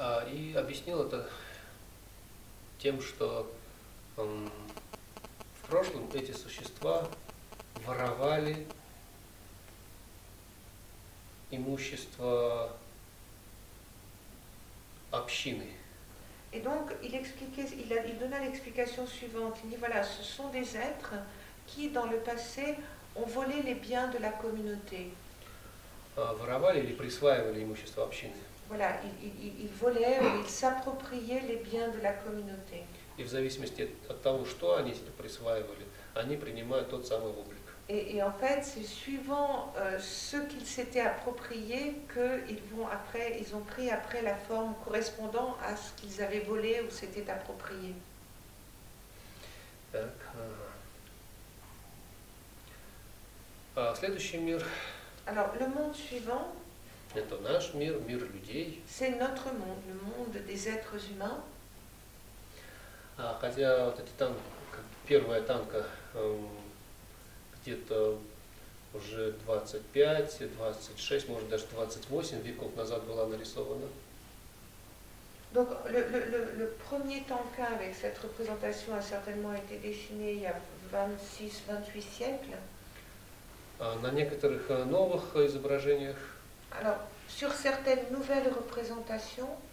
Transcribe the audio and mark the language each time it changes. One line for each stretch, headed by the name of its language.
Russian: И объяснил это тем, что в прошлом эти существа воровали имущество общины.
French: И donc il expliquait, il donna l'explication suivante. Il dit voilà, ce sont des êtres qui dans le passé ont volé les biens de la communauté.
Russian: Воровали или присваивали имущество общины.
French: Voilà, ils volaient ou ils s'appropriaient les biens de la communauté.
Russian: И в зависимости от того, что они себе присваивали, они принимают тот самый облик.
French: Et en fait, c'est suivant ce qu'ils s'étaient approprié que ils ont pris après la forme correspondant à ce qu'ils avaient volé ou s'étaient approprié.
Russian: Так. Следующий мир.
French: Alors, le monde suivant.
Russian: Это наш мир, мир людей.
French: C'est notre monde, le monde des êtres humains.
Russian: Хотя вот эти танки, первая танка где-то уже 25, 26, может даже 28 веков назад была нарисована.
French: Donc le premier tanka avec cette représentation a certainement été dessiné il y a 26-28 siècles.
Russian: На некоторых новых изображениях.
French: Alors, sur certaines nouvelles représentations